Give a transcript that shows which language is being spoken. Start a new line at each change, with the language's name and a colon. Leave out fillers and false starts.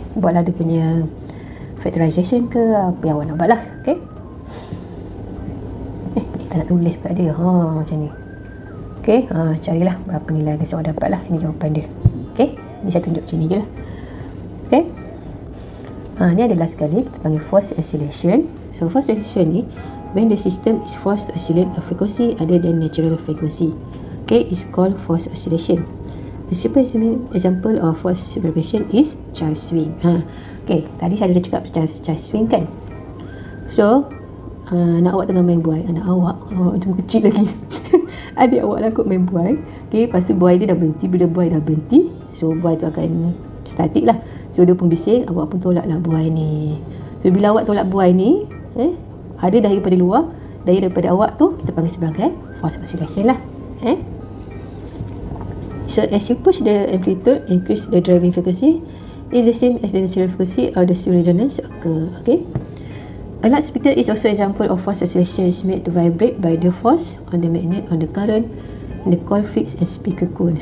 Malay: Buatlah dia punya factorization ke apa yang awak nak buat lah. Okay. Kita nak tulis pula dia. Macam ni. Okay. Carilah berapa nilai dia seorang dapat lah. Ini jawapan dia. Okay. Ini saya tunjuk macam ni je lah. Okay. Ni adalah sekali kita panggil force oscillation.
English: So force oscillation
Malay: ni
English: when the system is forced to oscillate a frequency other than natural frequency. Okay, is called force oscillation. The simple example of force vibration is Charles swing.
Malay: Okay, tadi saya dah cakap tentang Charles swing kan. So anak awak tengah main buai. Anak awak cuma kecil lagi. Adik awak lah kot main buai. Okay, lepas tu buai dia dah berhenti. Bila buai dah berhenti, so buai tu akan statik lah. So dia pun bising, awak pun tolak lah buai ni. So bila awak tolak buai ni, ada daya daripada luar, daya daripada awak tu kita panggil sebagai force oscillation lah.
English: So as you push the amplitude, increase the driving frequency, is the same as the natural frequency or the spring resonance occur. Okay. A large speaker is also an example of force oscillation is made to vibrate by the force on the magnet, on the current, in the coil fix and speaker cone.